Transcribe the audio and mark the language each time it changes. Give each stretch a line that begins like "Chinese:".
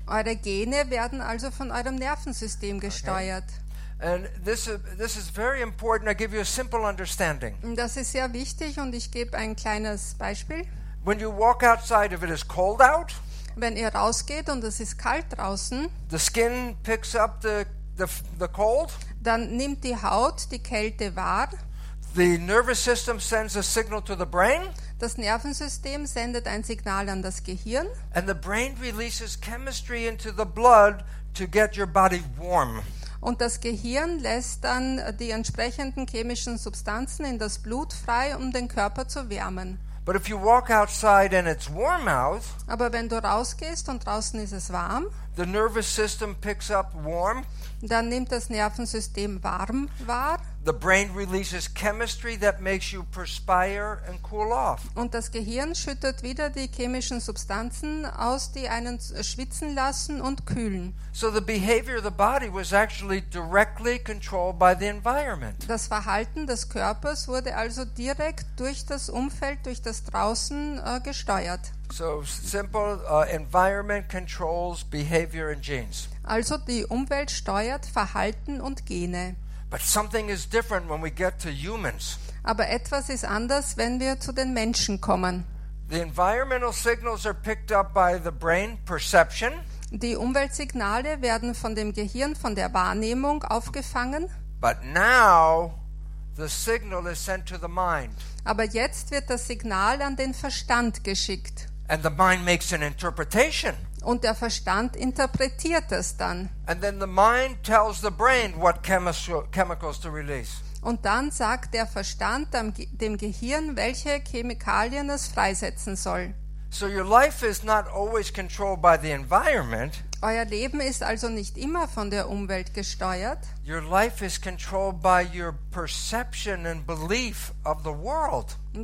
German: Eure Gene werden also von eurem Nervensystem gesteuert.
English: Okay. And this is very important. I give you a simple understanding.
German: Das ist sehr wichtig und ich gebe ein kleines Beispiel.
English: When you walk outside, if it is cold out,
German: wenn ihr rausgeht und es ist kalt draußen,
English: the skin picks up the cold,
German: dann nimmt die Haut die Kälte wahr.
English: The nervous system sends a signal to the brain.
German: Das Nervensystem sendet ein Signal an das Gehirn.
English: And the brain releases chemistry into the blood to get your body warm.
German: Und das Gehirn lässt dann die entsprechenden chemischen Substanzen in das Blut frei, um den Körper zu wärmen.
English: But if you walk outside and it's warm out,
German: aber wenn du rausgehst und draußen ist es warm,
English: the nervous system picks up warm,
German: dann nimmt das Nervensystem warm wahr,
English: the brain releases chemistry that makes you perspire and cool off.
German: Und das Gehirn schüttet wieder die chemischen Substanzen aus, die einen schwitzen lassen und kühlen.
English: So the behavior of the body was actually directly controlled by the environment.
German: Das Verhalten des Körpers wurde also direkt durch das Umfeld, durch das Draußen gesteuert.
English: So simple, environment controls behavior and genes.
German: Also die Umwelt steuert Verhalten und Gene.
English: But something is different when we get to humans.
German: Aber etwas ist anders, wenn wir zu den Menschen kommen.
English: The environmental signals are picked up by the brain perception.
German: Die Umweltsignale werden von dem Gehirn, von der Wahrnehmung aufgefangen.
English: But now the signal is sent to the mind.
German: Aber jetzt wird das Signal an den Verstand geschickt.
English: And the mind makes an interpretation.
German: Und der Verstand interpretiert es dann.
English: And then the mind tells the brain what chemicals to release.
German: Und dann sagt der Verstand dem Gehirn, welche Chemikalien es freisetzen soll.
English: So your life is not always controlled by the environment.
German: Euer Leben ist also nicht immer von der Umwelt gesteuert.
English: Your life is controlled by your perception and belief of the world.